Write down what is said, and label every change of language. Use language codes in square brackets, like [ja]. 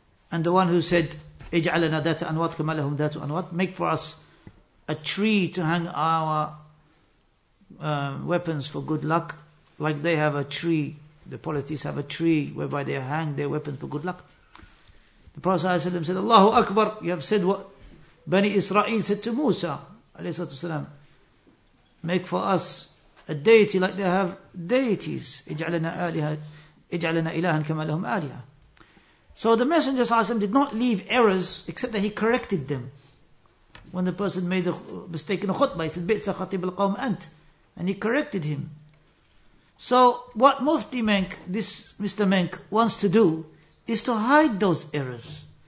[en] And the one who said, [ar] اجعلنا ذات أنوات كما لهم ذات أنوات, [en] make for us a tree to hang our weapons for good luck, like they have a tree, the polytheists have a tree whereby they hang their weapons for good luck. The Prophet ﷺ said, Allahu Akbar, you have said what Bani Israel said to Musa, والسلام, make for us a deity like they have deities. [ar] اجعلنا إلها كما لهم آلهة. [en] So the Messenger ﷺ did not leave errors, except that he corrected them. When the person made a mistake in a khutbah, he said, [ar] بِئْسَ خَطِيبَ الْقَوْمِ أَنْتَ. [en] And he corrected him. So what Mufti Menk, this Mr. Menk, wants to do is to hide those errors.